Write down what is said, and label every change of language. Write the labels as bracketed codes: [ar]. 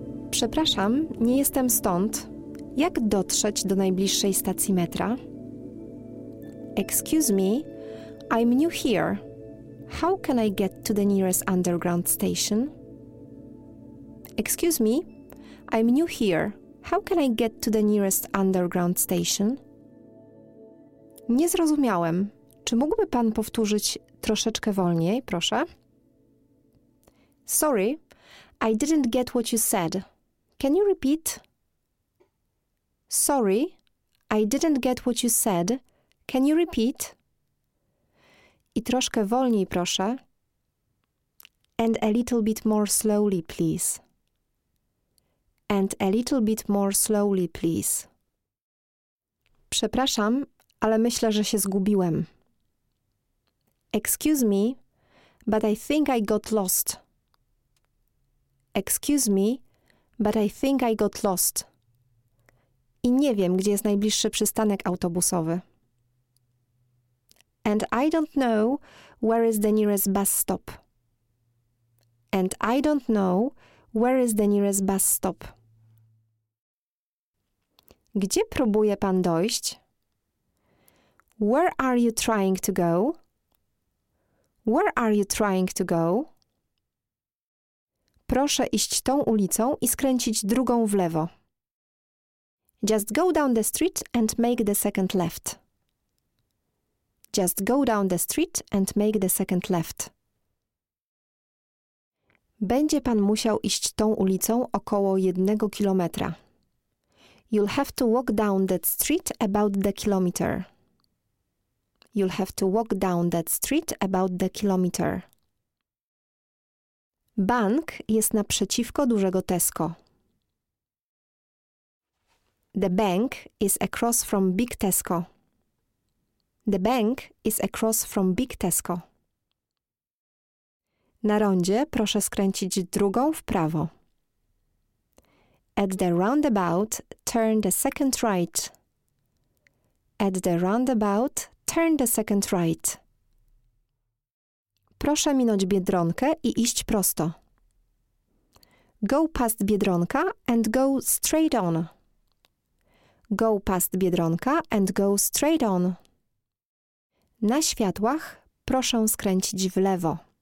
[pl] Przepraszam, nie jestem stąd. Jak dotrzeć do najbliższej stacji metra? [en] Excuse me, I'm new here. How can I get to the nearest underground station? Excuse me, I'm new here. How can I get to the nearest underground station? [pl] Nie zrozumiałem. Czy mógłby pan powtórzyć troszeczkę wolniej, proszę? [en] Sorry, I didn't get what you said. Can you repeat? Sorry, I didn't get what you said. Can you repeat? [pl] I troszkę wolniej, proszę. [en] And a little bit more slowly, please. And a little bit more slowly, please. [pl] Przepraszam, ale myślę, że się zgubiłem. [en] Excuse me, but I think I got lost. Excuse me, but I think I got lost. [pl] I nie wiem, gdzie jest najbliższy przystanek autobusowy. [en] And I don't know where is the nearest bus stop. And I don't know where is the nearest bus stop. [pl] Gdzie próbuje pan dojść? [en] Where are you trying to go? Where are you trying to go? [pl] Proszę iść tą ulicą i skręcić drugą w lewo. [en] Just go down the street and make the second left. Just go down the street and make the second left. [pl] Będzie pan musiał iść tą ulicą około 1 kilometra. [en] You'll have to walk down that street about the kilometer. You'll have to walk down that street about the kilometer. [pl] Bank jest naprzeciwko dużego Tesco. [en] The bank is across from Big Tesco. The bank is across from Big Tesco. [pl] Na rondzie proszę skręcić drugą w prawo. [en] At the roundabout, turn the second right. At the roundabout, turn the second right. [pl] Proszę minąć Biedronkę i iść prosto. [en] Go past Biedronka and go straight on. Go past Biedronka and go straight on. [pl] Na światłach proszę skręcić w lewo.